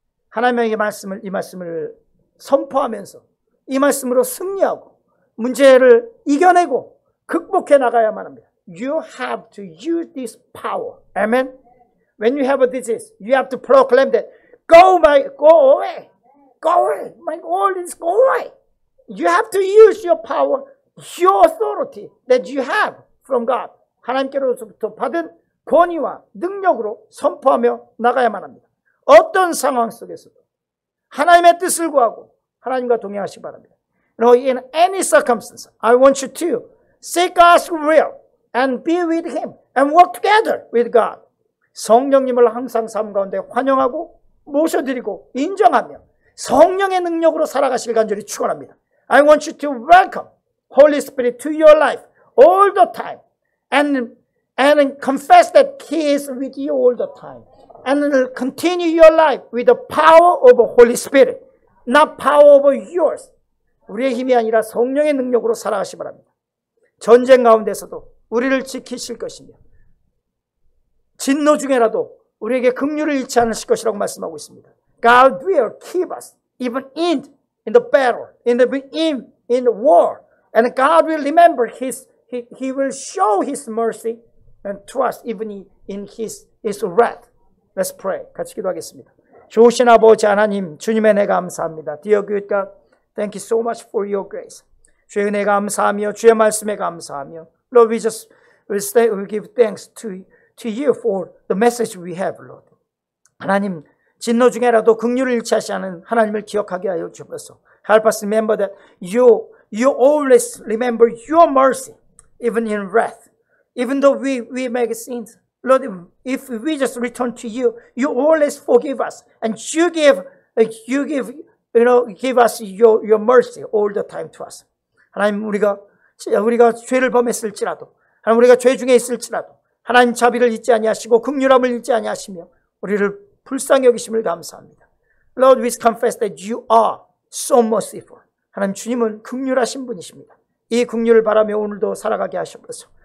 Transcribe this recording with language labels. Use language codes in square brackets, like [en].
[ko] 하나님의 말씀을 이 말씀을 선포하면서 이 말씀으로 승리하고 문제를 이겨내고 극복해 나가야만 합니다. [en] You have to use this power. Amen. When you have a disease, you have to proclaim that go away. You have to use your power, your authority that you have from God. [ko] 하나님께로부터 받은 권위와 능력으로 선포하며 나가야만 합니다. 어떤 상황 속에서도 하나님의 뜻을 구하고 하나님과 동행하시기 바랍니다. [en] In any circumstance, I want you to seek God's will and be with Him and work together with God. [ko] 성령님을 항상 삶 가운데 환영하고 모셔드리고 인정하며 성령의 능력으로 살아가시길 간절히 축원합니다. [en] I want you to welcome Holy Spirit to your life all the time and confess that He is with you all the time. And continue your life with the power of Holy Spirit, not power of yours. [ko] 우리의 힘이 아니라 성령의 능력으로 살아가시기 바랍니다. 전쟁 가운데서도 우리를 지키실 것이며 진노 중에라도 우리에게 긍휼을 잃지 않으실 것이라고 말씀하고 있습니다. [en] God will keep us even in the battle, in the war. And God will remember He will show His mercy and trust even in His wrath. Let's pray. [ko] 같이 기도하겠습니다. 좋으신 아버지 하나님, 주님의 은혜 감사합니다. [en] Dear good God, thank you so much for your grace. [ko] 주의 은혜 감사하며 주의 말씀에 감사하며 [en] Lord, we give thanks to you for the message we have, Lord. [ko] 하나님, 진노 중에라도 긍휼을 잃지 않으시는 하나님을 기억하게 하여 주옵소서. [en] Help us remember that you always remember your mercy, even in wrath. Even though we make sins, Lord, if we just return to you, you always forgive us. And you give us your mercy all the time to us. [ko] 하나님, 우리가 죄를 범했을지라도, 하나님, 우리가 죄 중에 있을지라도, 하나님 자비를 잊지 아니하시고 긍휼함을 잊지 아니하시며 우리를 불쌍히 여기심을 감사합니다. [en] Lord, we confess that you are so merciful. [ko] 하나님, 주님은 긍휼하신 분이십니다. 이 긍휼을 바라며 오늘도 살아가게 하시옵소서.